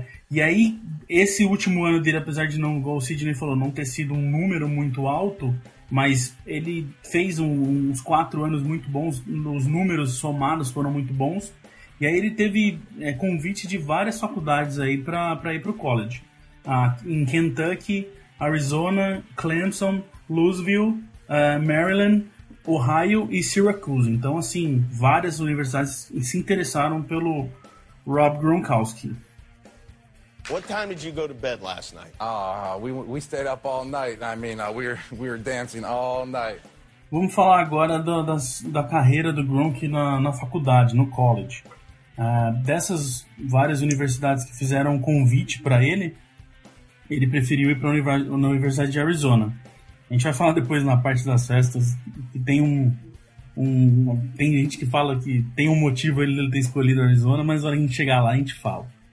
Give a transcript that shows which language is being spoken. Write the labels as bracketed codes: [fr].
[pt] E aí, esse último ano dele, apesar de não, igual o Sidney falou, não ter sido um número muito alto, mas ele fez uns 4 anos muito bons, os números somados foram muito bons, e aí ele teve convite de várias faculdades aí para ir para o college. Em Kentucky, Arizona, Clemson, Louisville, Maryland, Ohio e Syracuse. Então, assim, várias universidades se interessaram pelo Rob Gronkowski. [en] What time did you go to bed last night? We stayed up all night. I mean, we were dancing all night. [pt] Vamos falar agora da carreira do Gronk na faculdade, no college. Dessas várias universidades que fizeram um convite para ele, ele preferiu ir para a Universidade de Arizona. A gente vai falar depois na parte das festas, que tem tem gente que fala que tem um motivo ele ter escolhido Arizona, mas na hora que a gente chegar lá, a gente fala.